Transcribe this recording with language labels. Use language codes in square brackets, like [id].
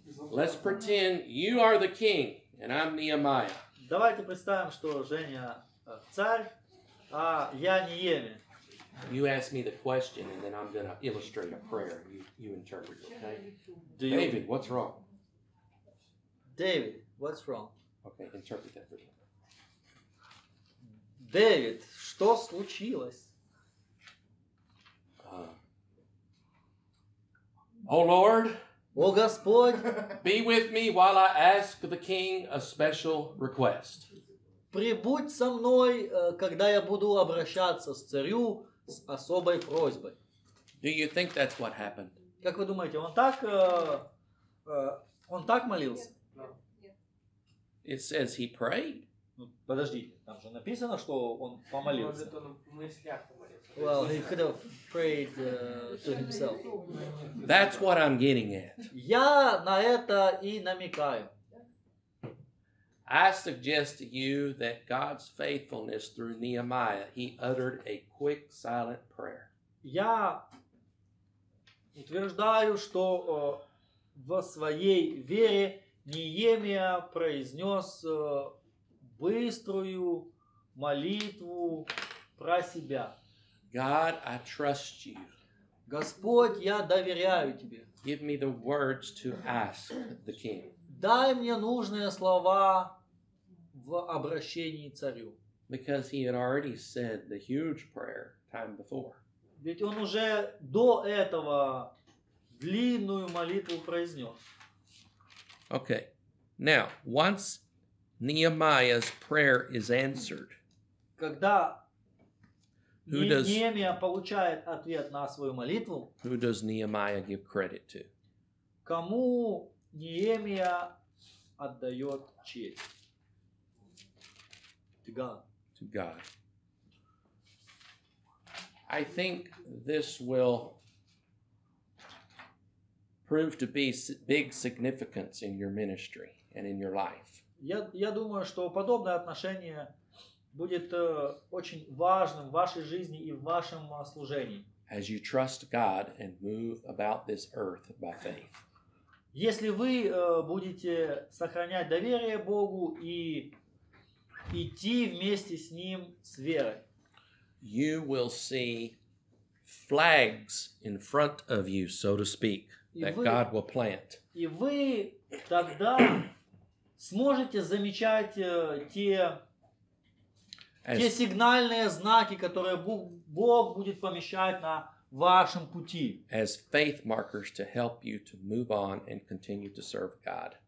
[en] Let's pretend you are the king and I'm Nehemiah. [ru] Давайте представим, что Женя царь, а я Неемия. [en] You ask me the question and then I'm going to illustrate a prayer. You interpret, okay? David, what's wrong? David, what's wrong? Okay, interpret that for me. [ru] David, что случилось? [en] Oh Lord, [ru] о Господь, [en] be with me while I ask the king a special request. [ru] Прибудь со мной, когда я буду обращаться с царю с особой просьбой. [en] Do you think that's what happened? [ru] Как вы думаете, он так молился? [en] It says he prayed. [ru] Подожди, там же написано, что он помолился. Может, он в мыслях помолился. [en] Well, he could have prayed to himself. That's what I'm getting at. [ru] Я на это и намекаю. [en] I suggest to you that God's faithfulness through Nehemiah, he uttered a quick, silent prayer. [ru] Я утверждаю, что в своей вере Неемия произнес быструю молитву про себя. [en] God, I trust you. [ru] Господь, я доверяю тебе. [en] Give me the words to ask the king. [ru] Дай мне нужные слова в обращении царю. [en] Because he had already said the huge prayer time before. [ru] Ведь он уже до этого длинную молитву произнес. [en] Okay. Now, once Nehemiah's prayer is answered, [ru] когда Неемия получает ответ на свою молитву, [en] who does Nehemiah give credit to? [ru] Кому Неемия отдает честь? [en] To God. To God. I think this will proved to be big significance in your ministry and in your life. [ru] Я думаю, что подобное отношение будет очень важным в вашей жизни и в вашем служении. [en] As you trust God and move about this earth by faith. [ru] Если вы будете сохранять доверие Богу и идти вместе с Ним с верой, [en] you will see flags in front of you, so to speak, that God will plant. [ru] И вы тогда сможете замечать те сигнальные знаки, которые Бог будет помещать на вашем пути. [en] As faith markers to help you to move on and continue to serve God.